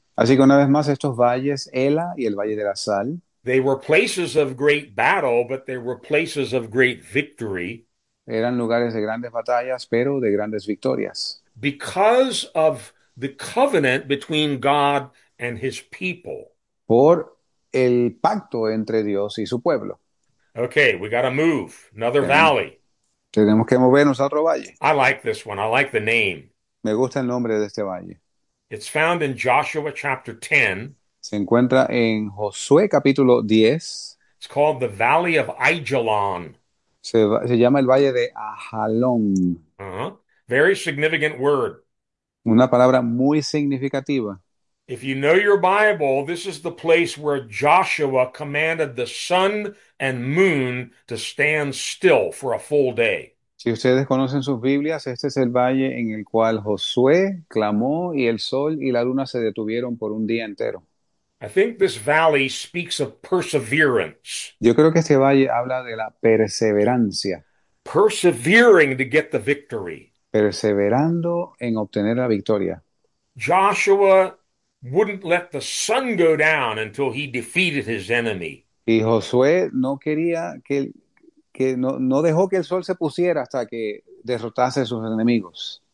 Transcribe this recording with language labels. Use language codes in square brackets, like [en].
[es] Así que una vez más estos valles, Ela y el Valle de la Sal, [en] they were places of great battle, but they were places of great victory. [es] eran lugares de grandes batallas, pero de grandes victorias. [en] Because of the covenant between God and his people. [es] Por el pacto entre Dios y su pueblo. [en] Okay, we got to move. Another [es] Tenemos [en] valley. [es] que movernos a otro valle. [en] I like this one. I like the name. [es] Me gusta el nombre de este valle. [en] It's found in Joshua chapter 10. [es] Se encuentra en Josué capítulo 10. [en] It's called the Valley of Ajalon. [es] Se llama el Valle de Ajalón. [en] Very significant word. [es] Una palabra muy significativa. [en] If you know your Bible, this is the place where Joshua commanded the sun and moon to stand still for a full day. [es] Si ustedes conocen sus Biblias, este es el valle en el cual Josué clamó y el sol y la luna se detuvieron por un día entero. [en] I think this valley speaks of perseverance. [es] Yo creo que este valle habla de la perseverancia. [en] Persevering to get the victory. [es] Perseverando en obtener la victoria. [en] Joshua wouldn't let the sun go down until he defeated his enemy. [es] Y Josué no quería que no dejó que el sol se pusiera hasta que derrotase a sus enemigos.